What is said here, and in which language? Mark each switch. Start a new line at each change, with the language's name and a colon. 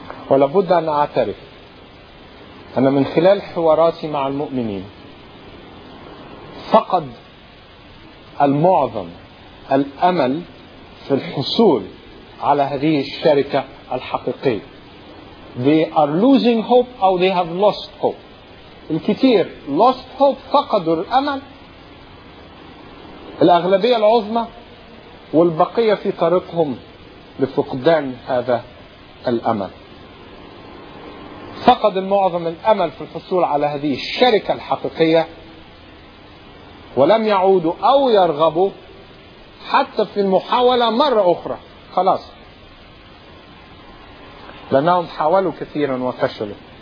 Arabic: ولابد أن أعترف أن من خلال حواراتي مع المؤمنين فقد المعظم الأمل في الحصول على هذه الشركة الحقيقية.
English: They are losing hope or they have lost hope.
Arabic: الكثير
English: lost hope،
Arabic: فقدوا الأمل. الأغلبية العظمى والبقية في طريقهم لفقدان هذا الأمل. فقد المعظم الأمل في الحصول على هذه الشركة الحقيقية، ولم يعودوا أو يرغبوا حتى في المحاولة مرة أخرى، خلاص، لأنهم حاولوا كثيرا وفشلوا.